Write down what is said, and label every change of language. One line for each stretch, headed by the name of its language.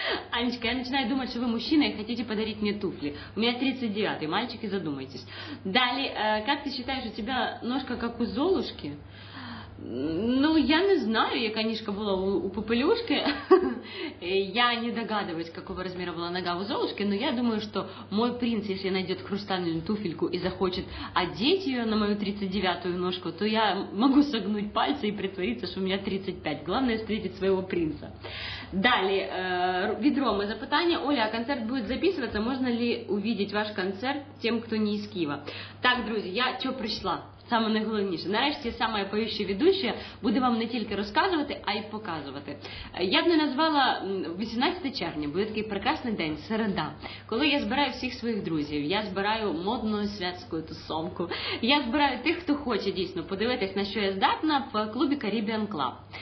Russian: Анечка, я начинаю думать, что вы мужчина и хотите подарить мне туфли. У меня 39-й, мальчики, задумайтесь. Далее, как ты считаешь, у тебя ножка как у Золушки?
Ukrainian: Ну, я не знаю, яка ніжка була у попелюшки.
Russian: Я не догадываюсь, какого размера была нога у Золушки, но я думаю, что мой принц, если найдет хрустальную туфельку и захочет одеть ее на мою 39-ю ножку, то я могу согнуть пальцы и притвориться, что у меня 35. Главное встретить своего принца.
Ukrainian: Далее, відроме запитання.
Russian: Оля, а концерт будет записываться? Можно ли увидеть ваш концерт тем, кто не из Киева? Так, друзья, я что прийшла?
Ukrainian: Саме найголовніше. Нарешті саме поюча ведуча буде вам не тільки розказувати, а й показувати. Я б не назвала 18 червня, буде такий прекрасний день, середа, коли я збираю всіх своїх друзів, я збираю модну святську тусовку, я збираю тих, хто хоче дійсно подивитись, на що я здатна, в клубі Caribbean Club.